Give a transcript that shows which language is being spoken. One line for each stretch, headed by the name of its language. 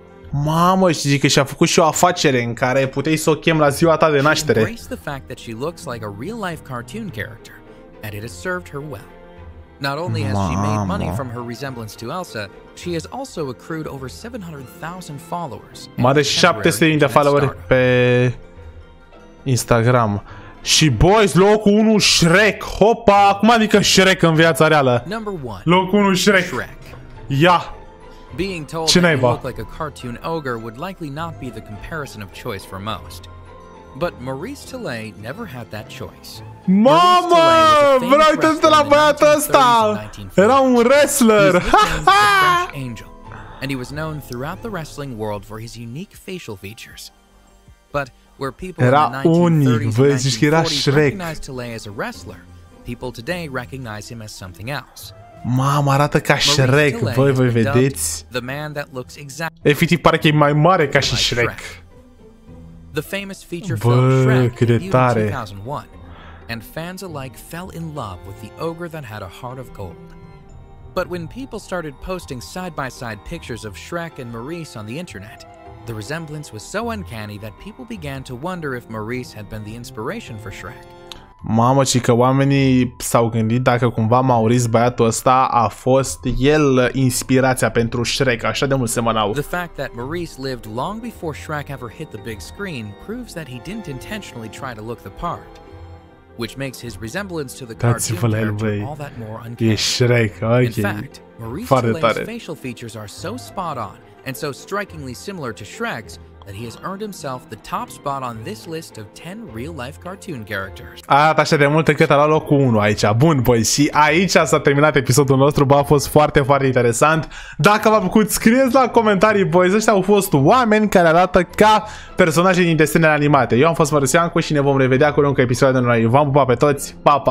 Romanian: Mamă, și zic că și-a făcut și o afacere în care puteai să o chem la ziua ta de naștere.
English: She embraced the fact that she looks like a real-life cartoon character, and it has served her well. Not only has she made money from her resemblance to Elsa, she has also accrued over 700,000 followers.
Romanian: Mă de 700,000 de followeri pe Instagram. Și boys, locul 1 Shrek. Hopa, cum adică Shrek în viața reală?
English: Number 1.
Romanian: Locul 1 Shrek. Ia.
English: Being told that you look like a cartoon ogre would likely not be the comparison of choice for most. But Maurice Tillet never had that choice.
Romanian: Mama, vreau uitați-te la băiatul ăsta. Era un wrestler. Angel.
English: And he was known throughout the wrestling world for his unique facial features. But where people
Romanian: era
English: in the 1930s recognized Tillet as a wrestler, people today recognize him as something else.
Romanian: Mama, arată ca Maurice Shrek, voi vedeți?
English: The man that looks exactly.
Romanian: Efectiv pare că e mai mare ca și Shrek.
English: The famous feature film Shrek debuted in 2001, and fans alike fell in love with the ogre that had a heart of gold. But when people started posting side-by-side pictures of Shrek and Maurice on the internet, the resemblance was so uncanny that people began to wonder if Maurice had been the inspiration for Shrek.
Romanian: Mamă, ci că oamenii s-au gândit dacă cumva Maurice, băiatul ăsta, a fost el inspirația pentru Shrek, așa de mult semănau.
English: The fact that Maurice lived long before Shrek ever hit the big screen proves that he didn't intentionally try to look the part, which makes his resemblance to the cartoon character all that more uncanny.
Romanian: E Shrek, ok.
English: In fact, Maurice's facial features are so spot on and so strikingly similar to Shrek's that he has earned himself the top spot on this list of 10 real-life cartoon characters.
Romanian: Arată așa de mult încât a luat locul 1 aici. Bun, băi, și aici s-a terminat episodul nostru. Bă, a fost foarte, foarte interesant. Dacă v-a plăcut, scrieți la comentarii, băi. Ăștia au fost oameni care arată ca personaje din desenele animate. Eu am fost Mărăsiancu și ne vom revedea cu un episod de noi. V-am pupat pe toți. Pa, pa!